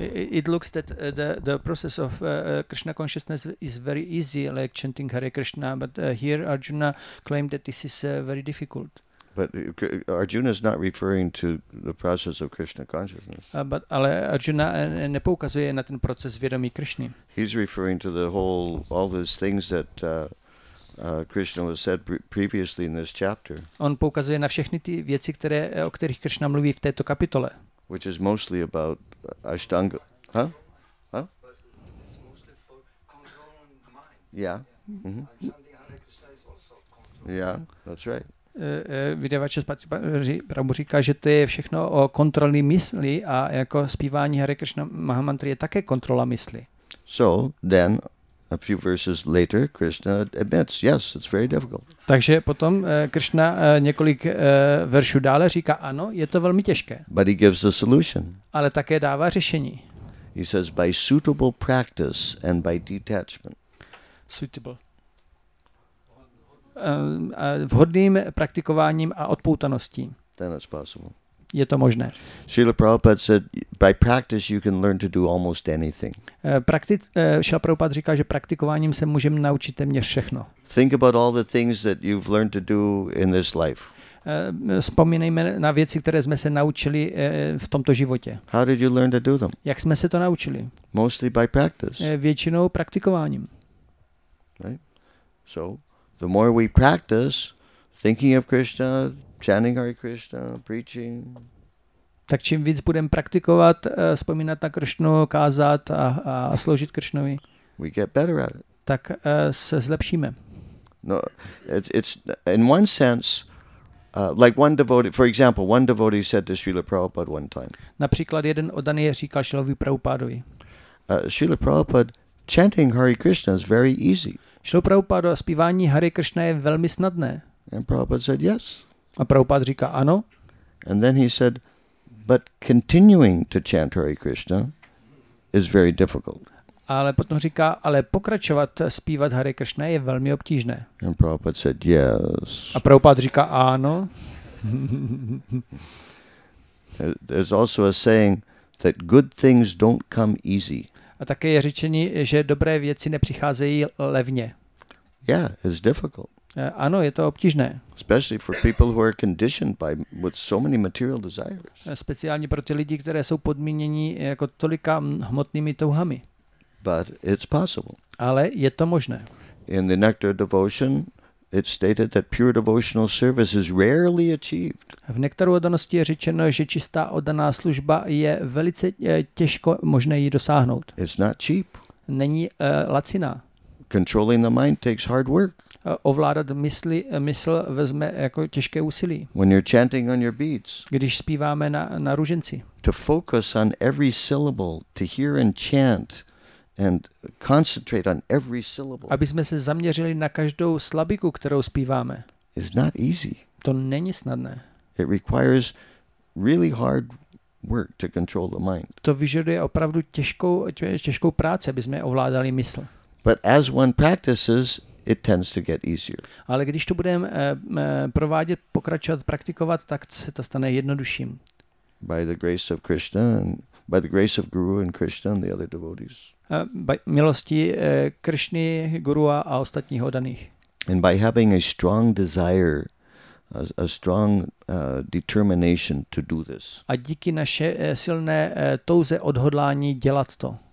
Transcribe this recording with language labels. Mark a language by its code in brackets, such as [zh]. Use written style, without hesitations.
[en] It looks that the process of Krishna consciousness is very easy, like chanting Hare Krishna, but here Arjuna claimed that this is very difficult. But Arjuna is not referring to the process of Krishna consciousness. But [cs] ale Arjuna nepoukazuje na ten proces vědomí Krishny. [en] He's referring to the whole, all those things that Krishna was said previously in this chapter. [cs] On poukazuje na všechny ty věci, které, o kterých Krishna mluví v této kapitole. [en] Which is mostly about Ashtanga. Huh? Huh? But it's mostly for controlling the mind. Yeah. Mm-hmm. And chanting Hare Krishna is also controlling. Yeah, that's right. [cs] Vydavače Prabhu říká, že to je všechno o kontrolní mysli a jako zpívání Hare Krishna Mahamantry je také kontrola mysli. [en] So then a few verses later Krishna admits, yes, it's very difficult. [cs] Takže potom Krishna několik veršů dále říká, ano, je to velmi těžké. [en] But he gives a solution. [cs] Ale také dává řešení. [en] He says by suitable practice and by detachment. Suitable. [cs] Vhodným praktikováním a odpoutaností. [en] Then it's possible. [cs] Je to možné. [en] Srila Prabhupada said by practice you can learn to do almost anything. [cs] Srila Prabhupada říká, že praktikováním se můžeme naučit téměř všechno. [en] Think about all the things that you've learned to do in this life. [cs] Vzpomínejme na věci, které jsme se naučili v tomto životě. [en] How did you learn to do them? [cs] Jak jsme se to naučili? [en] Mostly by practice. [cs] Většinou praktikováním. [en] Right? So the more we practice thinking of Krishna, chanting Hare Krishna, preaching. [cs] Tak čím víc budeme praktikovat, vzpomínat na Krishnu, kázat a sloužit Krishnovi, [en] we get better at it. [cs] Tak se zlepšíme. [en] No, it's in one sense, like one devotee, for example, one devotee said to Srila Prabhupada one time. [cs] Například jeden oddaný říkal Srilovi Prabhupadovi. [en] Srila Prabhupada, chanting Hare Krishna is very easy. [cs] Srila Prabhupada, zpívání Hare Krishna je velmi snadné. [en] And Prabhupada said yes. [cs] A Prabhupada říká ano. [en] And then he said, but continuing to chant Hare Krishna is very difficult. [cs] Ale potom říká, ale pokračovat zpívat Hare Krishna je velmi obtížné. [en] And Prabhupada said yes. [cs] A Prabhupada říká ano. [en] There's also a saying that good things don't come easy. [cs] A také je řečení, že dobré věci nepřicházejí levně. [en] Yeah, it's difficult. [cs] Ano, je to obtížné. [en] Especially for people who are conditioned by with so many material desires. [cs] Speciálně pro ty lidi, které jsou podmíněni jako tolika hmotnými touhami. [en] But it's possible. [cs] Ale je to možné. [en] In the Nectar Devotion, it's stated that pure devotional service is rarely achieved. [cs] V Nektaru oddanosti je řečeno, že čistá oddaná služba je velice těžko možné ji dosáhnout. [en] It's not cheap. [cs] Není laciná. [en] Controlling the mind takes hard work. [cs] Ovládat mysl vezme jako těžké úsilí. [en] When you're chanting on your beads, [cs] když zpíváme na růženci. [en] To focus on every syllable, to hear and chant and concentrate on every syllable. [cs] Aby jsme se zaměřili na každou slabiku, kterou zpíváme. [en] It's not easy. [cs] To není snadné. [en] It requires really hard work to control the mind. [cs] To vyžaduje opravdu těžkou práci, aby jsme ovládali mysl. [en] But as one practices, it tends to get easier. [cs] Ale když to budeme provádět, pokračovat, praktikovat, tak se to stane jednodušším. [en] By the grace of Krishna and by the grace of Guru and Krishna and the other devotees. [cs] Milosti Krishny, Guru a ostatních oddaných. [en] And by having a strong desire, a strong determination to do this. [cs] A díky naše silné touze odhodlání dělat to.